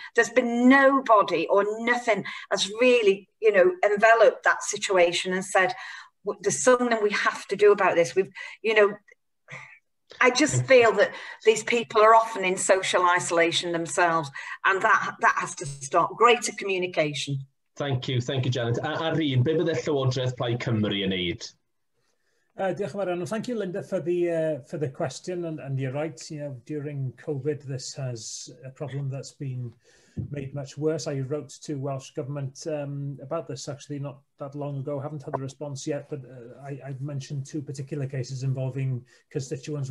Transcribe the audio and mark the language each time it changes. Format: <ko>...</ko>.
<en>There's been nobody or nothing has really, you know, enveloped that situation and said, there's something we have to do about this. We've, you know, I just feel that these people are often in social isolation themselves, and that has to stop. Greater communication. Thank you, Janet.</en> <cy>A Rhun, be fydde Llywodraeth Plaid Cymru yn neud? Diolch yn fawr,</cy> <en>and thank you, Linda, for the question. And you're right, you know, during COVID, this has a problem that's been made much worse. I wrote to Welsh Government about this actually not that long ago. I haven't had a response yet, but I've mentioned two particular cases involving constituents.</en>